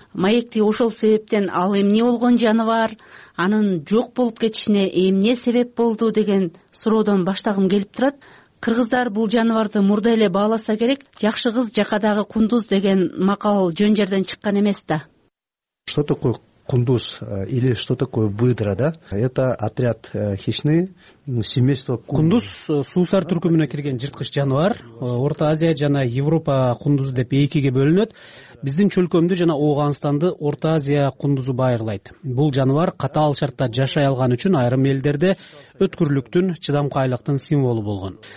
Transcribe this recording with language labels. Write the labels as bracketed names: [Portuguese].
[Kyrgyz] Маекти ошол себептен ал эмне болгон жаныбар, анын жок болуп кетишине эмне себеп болду деген суроодон баштагым келип турат. Кыргыздар бул жаныбарды мурда эле бааласа керек, жакшы кыз жакадагы кундуз деген макал жөн жерден чыккан эмес да. [Russian] Что такое кундуз или что такое выдра, да? Это отряд хищные, семейство [Kyrgyz] кундуз. Кундуз суусар түркүмүнө кирген жырткыч жаныбар. Орто Азия жана Европа кундузу деп экиге бөлүнөт. Биздин чөлкөмдү жана Ооганстанды Орто Азия кундузу байырлайт. Бул жаныбар катаал шартта жашай алган үчүн айрым элдерде өткүрлүктүн, чыдамкайлыктын символу болгон.